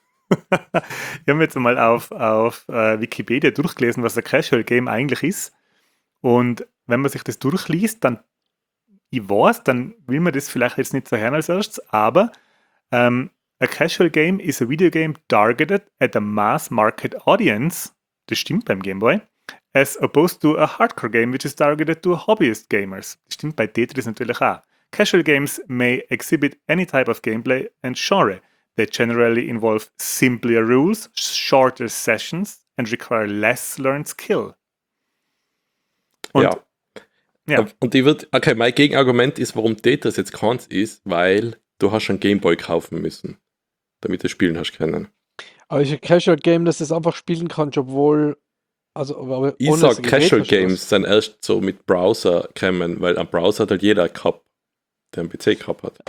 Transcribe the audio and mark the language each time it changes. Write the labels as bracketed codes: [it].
[de] Ich habe jetzt mal auf Wikipedia durchgelesen, was ein Casual Game eigentlich ist. Und wenn man sich das durchliest, dann, ich weiß, dann will man das vielleicht jetzt nicht so hören als erstes, aber ein Casual Game ist ein Videogame [en] targeted at a mass market audience. [de] Das stimmt beim Gameboy, [en] as opposed to a hardcore game, which is targeted to hobbyist gamers. [de] Das stimmt bei Tetris natürlich auch. [en] Casual games may exhibit any type of gameplay and genre. They generally involve simpler rules, shorter sessions and require less learned skill. [de] Und, ja. Und ich würde, okay, mein Gegenargument ist, warum Tetris jetzt keins ist, weil du hast schon Gameboy kaufen müssen, damit du spielen hast können. Aber ist ein Casual Game, dass du es einfach spielen kannst, obwohl. Also, aber ich sag, Casual Games sind erst so mit Browser gekommen, weil am Browser hat halt jeder gehabt, der einen PC gehabt hat.